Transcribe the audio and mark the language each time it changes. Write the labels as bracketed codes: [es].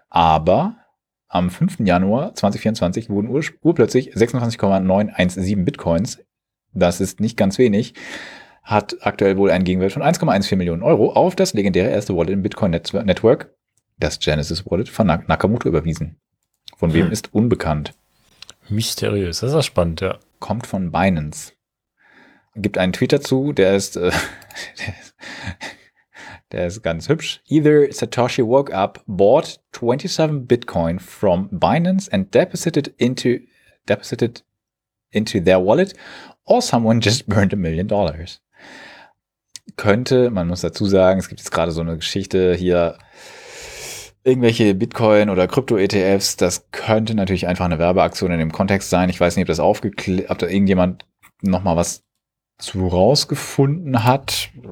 [de] Aber am 5. Januar 2024 wurden urplötzlich 26,917 Bitcoins, das ist nicht ganz wenig, hat aktuell wohl einen Gegenwert von 1,14 Millionen Euro auf das legendäre erste Wallet im Bitcoin-Network, das Genesis Wallet von Nakamoto, überwiesen. Von wem ist unbekannt. Mysteriös, das ist auch spannend, ja. Kommt von Binance. Gibt einen Tweet dazu, der ist ganz hübsch. [en] Either Satoshi woke up, bought 27 Bitcoin from Binance and deposited into their wallet, or someone just burned $1 million. [de] Könnte, man muss dazu sagen, es gibt jetzt gerade so eine Geschichte hier, irgendwelche Bitcoin- oder Krypto-ETFs, das könnte natürlich einfach eine Werbeaktion in dem Kontext sein. Ich weiß nicht, ob da irgendjemand nochmal was zu rausgefunden hat.